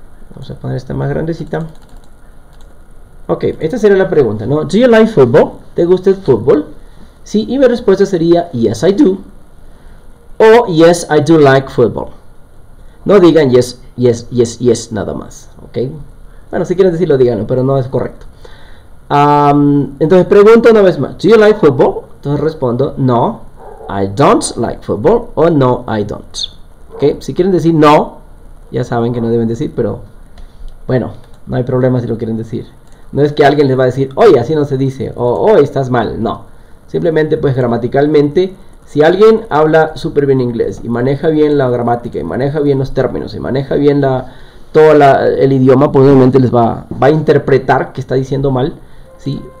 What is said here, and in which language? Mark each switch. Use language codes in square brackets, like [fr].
[es] Vamos a poner esta más grandecita. Ok, esta sería la pregunta, ¿no? [en] ¿Do you like football? [es] ¿Te gusta el fútbol? Sí, y mi respuesta sería [en] yes I do [es] o [en] yes I do like football. [es] No digan [en] yes, yes, yes, yes [es] nada más, ¿ok? Bueno, si quieren decirlo, díganlo, pero no es correcto. Entonces pregunto una vez más, [en] ¿Do you like football? [es] Entonces respondo no, [en] I don't like football [es] o no, [en] I don't. [es] ¿Ok? Si quieren decir no, ya saben que no deben decir, pero bueno, no hay problema si lo quieren decir. No es que alguien les va a decir, oye, así no se dice o oye, estás mal, no. Simplemente, pues gramaticalmente, si alguien habla súper bien inglés y maneja bien la gramática y maneja bien los términos y maneja bien el idioma, pues obviamente les va a interpretar que está diciendo mal, ¿sí?